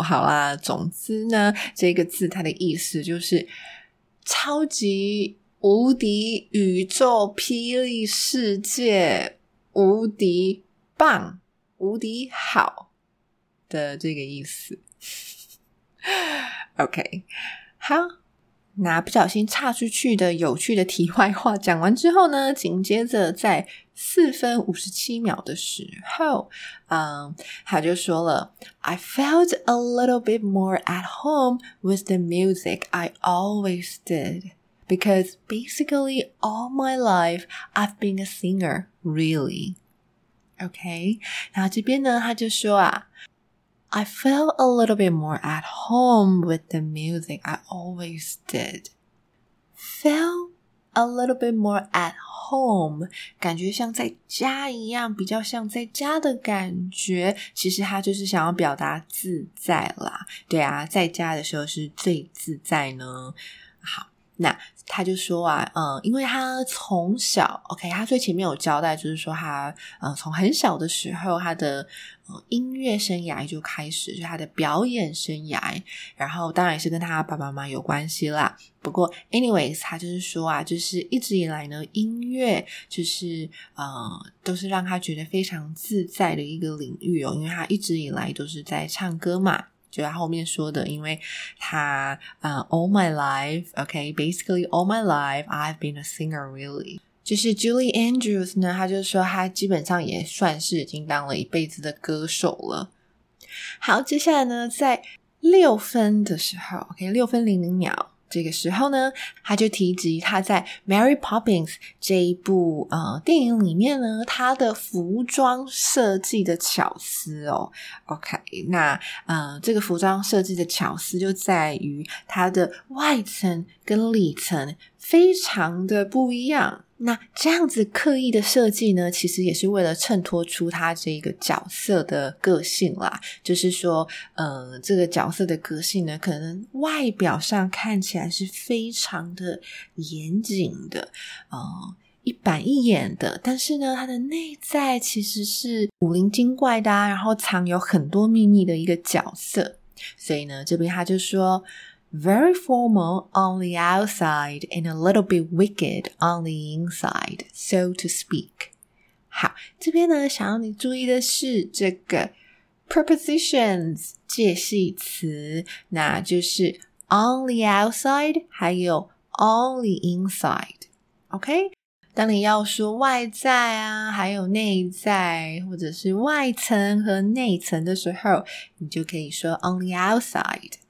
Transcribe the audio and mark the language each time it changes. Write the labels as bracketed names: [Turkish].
[Chinese] 好啦，总之呢，这个字它的意思就是超级无敌宇宙霹雳世界无敌棒无敌好的这个意思。 [English] OK, [Chinese] 好，那不小心岔出去的有趣的题外话讲完之后呢，紧接着在4分57秒的时候他就说了 [English] I felt a little bit more at home with the music I always did, because basically all my life I've been a singer, really. OK, [Chinese] 然后这边呢他就说啊 [English] I felt a little bit more at home with the music I always did. Felt a little bit more at home, [Chinese] 感觉像在家一样，比较像在家的感觉，其实他就是想要表达自在啦。对啊，在家的时候是最自在呢。好，那他就说啊，因为他从小 ,OK, 他最前面有交代就是说他从很小的时候他的音乐生涯就开始，就是他的表演生涯，然后当然也是跟他爸爸妈妈有关系啦。不过 anyways, 他就是说啊，就是一直以来呢音乐就是都是让他觉得非常自在的一个领域哦，因为他一直以来都是在唱歌嘛。就他后面说的，因为他 [English] All my life, okay, basically all my life, I've been a singer really. [Chinese] 就是 Julie Andrews 呢，他就说他基本上也算是已经当了一辈子的歌手了。好，接下来呢，在六分的时候 ,okay, 六分零零秒。这个时候呢他就提及他在 Mary Poppins 这一部电影里面呢他的服装设计的巧思哦。 OK, 那这个服装设计的巧思就在于他的外层跟里层非常的不一样。那这样子刻意的设计呢其实也是为了衬托出他这个角色的个性啦，就是说这个角色的个性呢可能外表上看起来是非常的严谨的一板一眼的，但是呢他的内在其实是古灵精怪的然后藏有很多秘密的一个角色。所以呢这边他就说 [English] Very formal on the outside and a little bit wicked on the inside, so to speak. [Chinese] 好，这边呢，想要你注意的是这个 prepositions 介系词，那就是 [English] on the outside [Chinese] 还有 [English] on the inside. OK? [Chinese] 当你要说外在啊，还有内在，或者是外层和内层的时候，你就可以说 [English] on the outside.